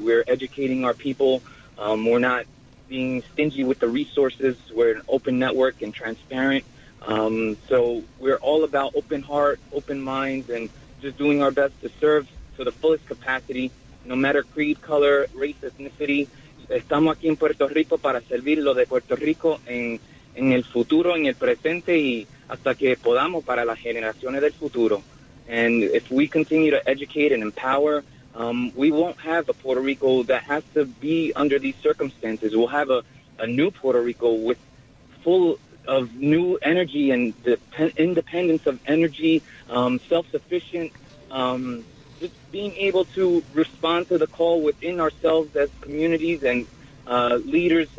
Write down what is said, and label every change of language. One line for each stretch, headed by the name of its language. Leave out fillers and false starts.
English: We're educating our people. We're not being stingy with the resources. We're an open network and transparent. So we're all about open heart, open minds, and just doing our best to serve to the fullest capacity, no matter creed, color, race, ethnicity.
Spanish: Estamos aquí en Puerto Rico para servir lo de Puerto Rico en el futuro, en el presente, y hasta que podamos para las generaciones del futuro.
English: And if we continue to educate and empower, we won't have a Puerto Rico that has to be under these circumstances. We'll have a new Puerto Rico with full of new energy and the independence of energy, self-sufficient, just being able to respond to the call within ourselves as communities and leaders.